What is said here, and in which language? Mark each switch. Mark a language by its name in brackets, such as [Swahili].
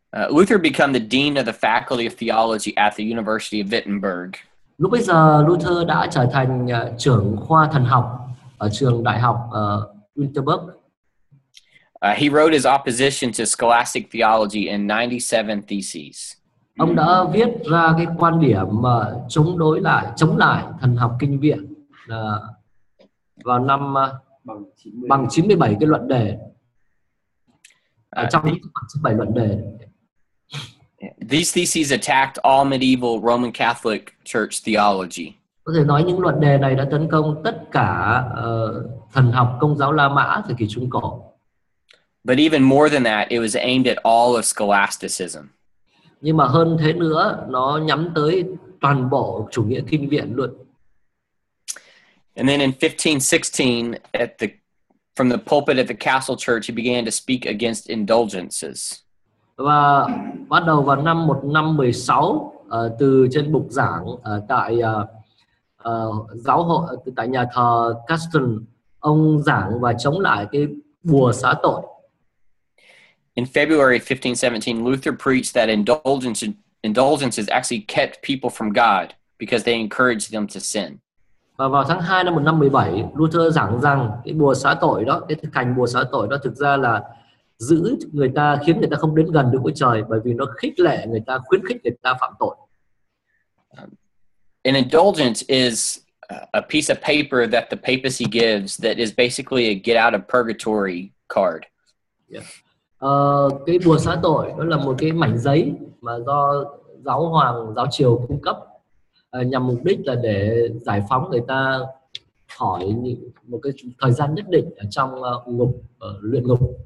[English] Luther became the dean of the faculty of theology at the University of Wittenberg. [Vietnamese] Lúc bây giờ Luther đã trở thành trưởng khoa thần học ở trường đại học Wittenberg. [English] He wrote his opposition to scholastic theology in 97 theses. [Vietnamese] Ông đã viết ra cái quan điểm chống đối lại, chống lại thần học kinh viện vào năm bằng 97 cái luận đề. Trong 97 luận đề. [English] These theses attacked all medieval Roman Catholic Church theology. [Vietnamese] Có thể nói những luận đề này đã tấn công tất cả thần học Công giáo La Mã thời kỳ Trung cổ. [English] But even more than that, it was aimed at all of scholasticism. [Vietnamese] Nhưng mà hơn thế nữa, nó nhắm tới toàn bộ chủ nghĩa kinh viện luôn. [English] And then in 1516, from the pulpit at the castle church, he began to speak against indulgences. [Vietnamese] Và bắt đầu vào năm 1516, từ trên bục giảng tại giáo hội, tại nhà thờ Caston, ông giảng và chống lại cái bùa xá tội. [English] In February 1517, Luther preached that indulgences actually kept people from God because they encouraged them to sin. [Vietnamese] Và vào tháng 2 năm 1517, Luther giảng rằng cái bùa xá tội đó, cái thực hành bùa xá tội đó thực ra là giữ người ta, khiến người ta không đến gần được với trời, bởi vì nó khích lệ người ta, khuyến khích người ta phạm tội. [English] An indulgence is a piece of paper that the papacy gives that is basically a get out of purgatory card. [Vietnamese] Cái bùa xá tội đó là một cái mảnh giấy mà do giáo hoàng, giáo triều cung cấp nhằm mục đích là để giải phóng người ta khỏi một cái thời gian nhất định ở trong ngục, luyện ngục.